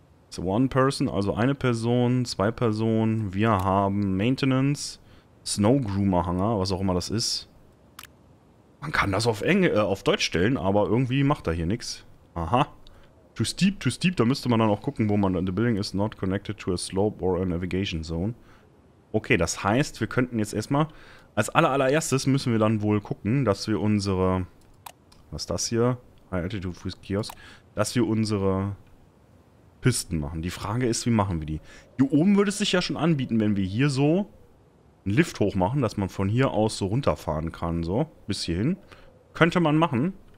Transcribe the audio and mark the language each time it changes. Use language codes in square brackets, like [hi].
[en] So one person, [de] also eine Person, zwei Personen. Wir haben Maintenance, Snow Groomer Hanger, was auch immer das ist. Man kann das auf Deutsch stellen, aber irgendwie macht er hier nichts. Aha. [en] Too steep, [de] da müsste man dann auch gucken, wo man... [en] The building is not connected to a slope or a navigation zone. [de] Okay, das heißt, wir könnten jetzt erstmal... Als allererstes müssen wir dann wohl gucken, dass wir unsere... Was ist das hier? High Altitude Freeze Kiosk. Dass wir unsere Pisten machen. Die Frage ist, wie machen wir die? Hier oben würde es sich ja schon anbieten, wenn wir hier so einen Lift hochmachen, dass man von hier aus so runterfahren kann, so, bis hierhin. Könnte man machen.